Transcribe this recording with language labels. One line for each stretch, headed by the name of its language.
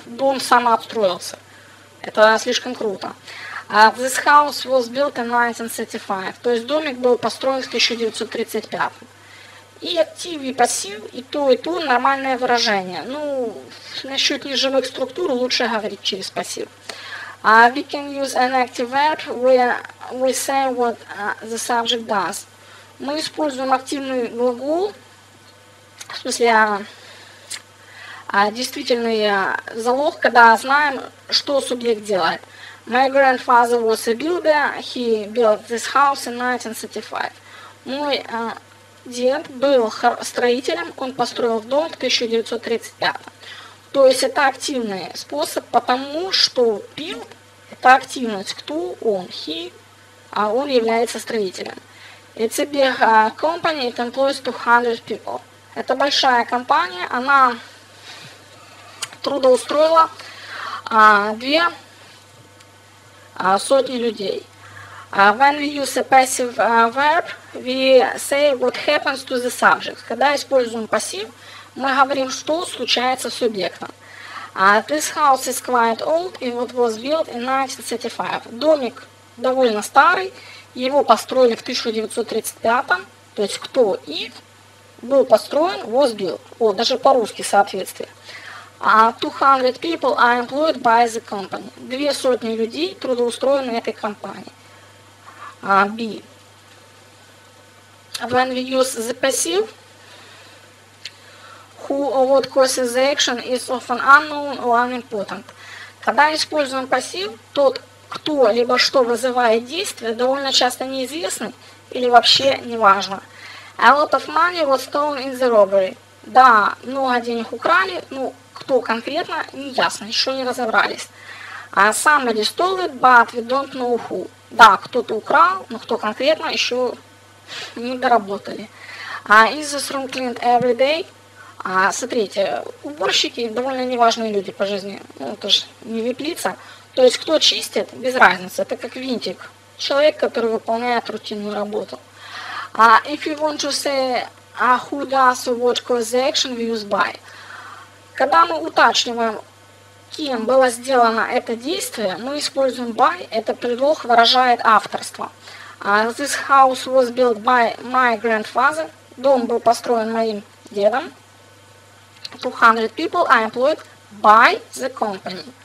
Russian: Дом сам обстроился. Это слишком круто.
English: This house was built in 1935.
Russian: То есть домик был построен в 1935. И актив, и пассив, и то нормальное выражение. Ну, насчет неживых структур лучше говорить через пассив.
English: We can use an active verb where we say what the subject does.
Russian: Мы используем активный глагол, в смысле, действительный залог, когда знаем, что субъект делает.
English: My grandfather was a builder. He built this house in 1935.
Russian: Мой дед был строителем. Он построил дом в 1935. То есть это активный способ, потому что build – это активность. Кто он? He. А он является строителем.
English: It's a big company. It employs 200 people.
Russian: Это большая компания. Она трудоустроила 2 сотни людей.
English: When we use a passive verb, we say what happens to the subject.
Russian: Когда используем пассив, мы говорим, что случается с субъектом.
English: This house is quite old, and it was built in 1935.
Russian: Домик довольно старый, его построили в 1935. То есть кто и был построен,
English: was built.
Russian: О, даже по-русски соответствие.
English: 200 people are employed by the company.
Russian: 2 сотни людей трудоустроены этой компанией.
English: B. When we use the passive, who or what causes the action is often unknown or unimportant.
Russian: Когда используем пассив, тот, кто либо что вызывает действие, довольно часто неизвестный или вообще неважно.
English: A lot of money was stolen in the robbery.
Russian: Да, много денег украли, но кто конкретно, не ясно, еще не разобрались.
English: Somebody stole it, but we don't know who.
Russian: Да, кто-то украл, но кто конкретно, еще не доработали.
English: Is this room cleaned every day?
Russian: Смотрите, уборщики довольно неважные люди по жизни. Ну, это же не виплица. То есть, кто чистит, без разницы. Это как винтик. Человек, который выполняет рутинную работу.
English: If you want to say who does or what cause the action, we use by.
Russian: Когда мы уточниваем, кем было сделано это действие, мы используем by, это предлог выражает авторство.
English: This house was built by my grandfather.
Russian: Дом был построен моим дедом.
English: 200 people are employed by the company.